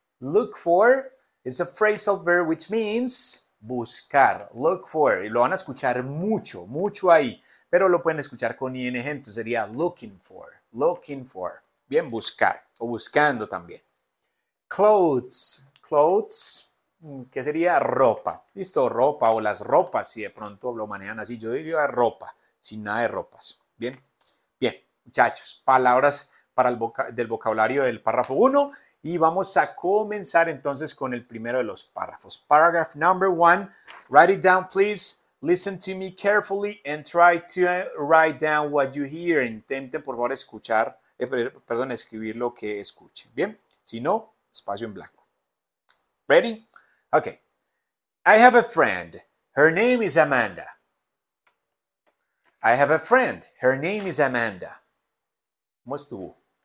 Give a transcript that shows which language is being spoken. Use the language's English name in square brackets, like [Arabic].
[English] Look for is a phrasal verb which means buscar. Look for. [Spanish] Y lo van a escuchar mucho, mucho ahí. Pero lo pueden escuchar con ing. Entonces sería looking for. Looking for. Bien, buscar. O buscando también. Clothes. Clothes. ¿Qué sería? Ropa. Listo, ropa o las ropas. Si de pronto lo manejan así, yo diría ropa. Sin nada de ropas. Bien. Bien. Muchachos, palabras para del vocabulario del párrafo 1 y vamos a comenzar entonces con el primero de los párrafos. [English] Paragraph number 1, write it down please, listen to me carefully and try to write down what you hear. [Spanish] Intenten por favor escuchar, perdón, escribir lo que escuche. Bien, si no, espacio en blanco. [English] Ready? Okay. I have a friend. Her name is Amanda. I have a friend. Her name is Amanda. [Spanish] ¿Cómo estuvo?